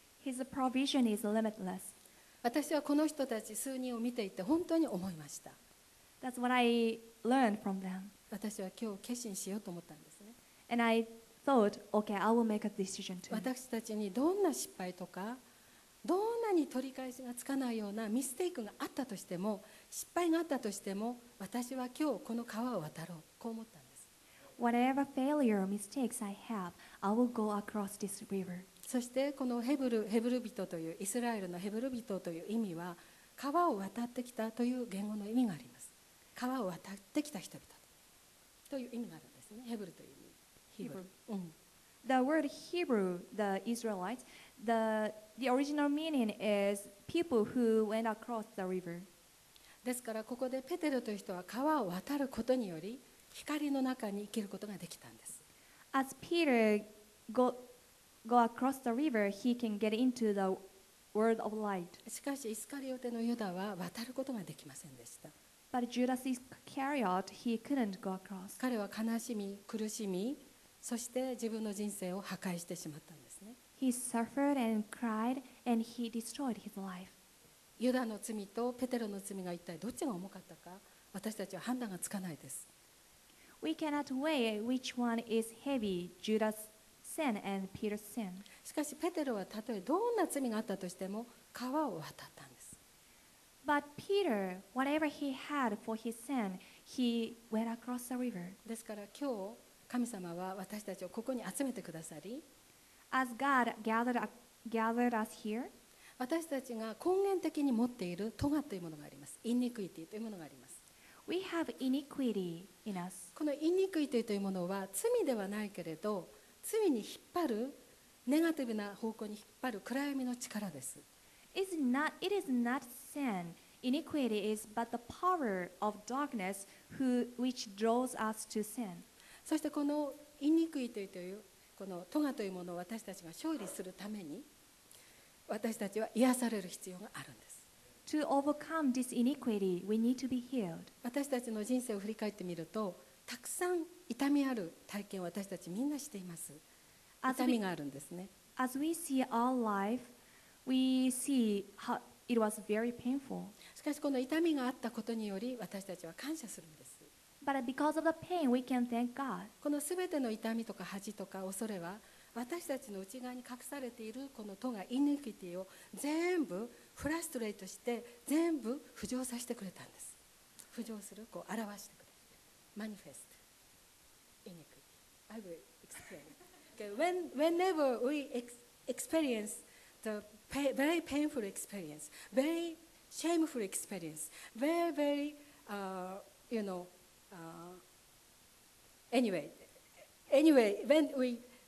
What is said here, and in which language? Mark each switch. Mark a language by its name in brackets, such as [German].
[English] His provision is limitless. [Japanese] 私はこの人たち数人を見ていて本当に思いました。 [English] That's what I learned from them. [Japanese] 私は今日決心しようと思ったんですね。 [English] And I thought, okay, I will make a decision too. [Japanese] 私たちにどんな失敗とか、どんなに取り返しがつかないようなミステイクがあったとしても、失敗があったとしても、私は今日この川を渡ろう、こう思ったんです。 [English] Whatever failure or mistakes I have, I will go across this river. [Japanese] そしてこのヘブル人という、イスラエルのヘブル人という意味は、川を渡ってきたという言語の意味があります。川を渡ってきた人々という意味があるんですね、ヘブルという意味。 [English] The word Hebrew, the Israelites, the original meaning is people who went across the river. [Japanese] ですからここでペテロという人は川を渡ることにより光の中に生きることができたんです。 [English] As Peter go across the river, he can get into the world of light. [Japanese] しかしイスカリオテのユダは渡ることができませんでした。 [English] But Judas Iscariot, he couldn't go across. [Japanese] 彼は悲しみ、苦しみ、そして自分の人生を破壊してしまったんですね。 [English] He suffered and cried and he destroyed his life. [Japanese] ユダの罪とペテロの罪が一体どっちが重かったか、私たちは判断がつかないです。 [English] We cannot weigh which one is heavy, Judas's sin and Peter's sin. [Japanese] しかしペテロはたとえどんな罪があったとしても川を渡ったんです。 [English] But Peter, whatever he had for his sin, he went across the river. [Japanese] ですから今日神様は私たちをここに集めてくださり、 [English] As God gathered us here, [Japanese] 私たちが根源的に持っている尖というものがあります。イニクイティというものがあります。 [English] We have iniquity in us. [Japanese] このイニクイティというものは罪ではないけれど、罪に引っ張る、ネガティブな方向に引っ張る暗闇の力です。 [English] It is not sin. Iniquity is but the power of darkness which draws us to sin. [Japanese] そしてこのイニクイティというこのトガというものを私たちが勝利するために私たちは癒される必要があるんです。 [English] To overcome this iniquity, we need to be healed. [Japanese] 私たちの人生を振り返ってみるとたくさん痛みある体験を私たちみんなしています。痛みがあるんですね。 [English] As we see our life, we see how it was very painful. [Japanese] しかしこの痛みがあったことにより私たちは感謝するんです。 [English] But because of the pain, we can thank God. [Japanese] この全ての痛みとか恥とか恐れは私たちの内側に隠されているこのトガイニクイティを全部フラストレートして全部浮上させてくれたんです。浮上する、こう表してくれる、マニフェスト。 [English] iniquity. I will explain. Okay, whenever we experience the very painful experience, very shameful experience, when we